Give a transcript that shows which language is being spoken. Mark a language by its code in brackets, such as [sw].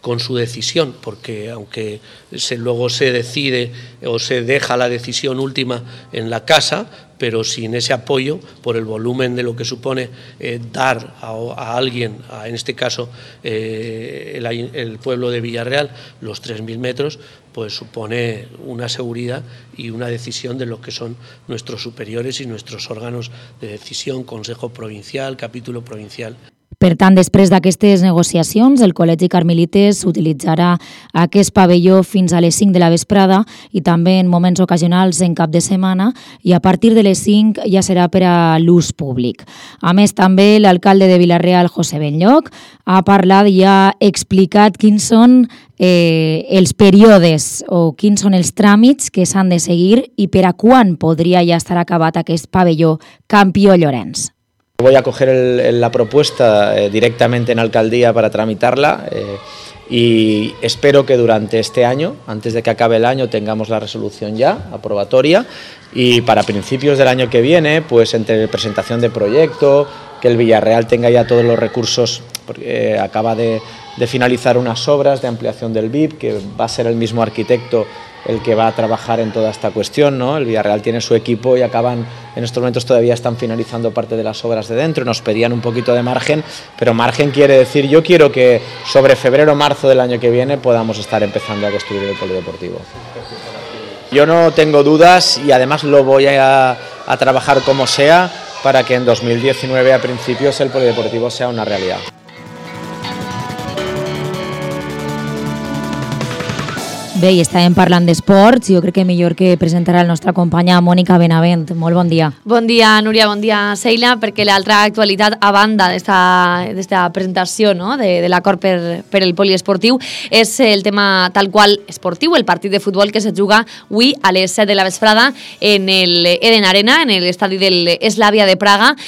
[es] decisión, porque aunque luego se decide o se deja la decisión última en la casa, pero sin ese apoyo, por el volumen de lo que supone dar a alguien, en este caso el pueblo de Vila-real, los 3.000 metros, pues supone una seguridad y una decisión de lo que son nuestros superiores y nuestros órganos de decisión, Consejo Provincial, Capítulo Provincial. [ca] Per tant, després d'aquestes negociacions, el Col·legi Carmelites utilitzarà aquest pavelló fins a les 5 de la vesprada i també en moments ocasionals en cap de setmana, i a partir de les 5 ja serà per a l'ús públic. A més, també l'alcalde de Vila-real, José Benlloc, ha parlat i ha explicat quins són els períodes o quins són els tràmits que s'han de seguir i per a quan podria ja estar acabat aquest pavelló Campió Llorenç. [es] Voy a coger la propuesta directamente en alcaldía para tramitarla y espero que durante este año, antes de que acabe el año, tengamos la resolución ya aprobatoria, y para principios del año que viene, pues entre presentación de proyecto, que el Vila-real tenga ya todos los recursos, porque acaba de finalizar unas obras de ampliación del VIP, que va a ser el mismo arquitecto el que va a trabajar en toda esta cuestión, ¿no? El Vila-real tiene su equipo y acaban, en estos momentos todavía están finalizando parte de las obras de dentro. Nos pedían un poquito de margen, pero margen quiere decir, yo quiero que sobre febrero o marzo del año que viene podamos estar empezando a construir el polideportivo. Yo no tengo dudas y además lo voy a trabajar como sea para que en 2019 a principios el polideportivo sea una realidad. [ca] Bé, i estàvem parlant d'esports, jo crec que millor que presentarà la nostra companya Mònica Benavent. Molt bon dia. Bon dia, Núria, bon dia, Seila, perquè l'altra actualitat, a banda d'esta presentació, no?, de l'acord per el poliesportiu, és el tema tal qual esportiu, el partit de futbol que se juga avui a les 7 de la vesprada en el Eden Arena, en l'estadi de l'Eslàvia de Praga.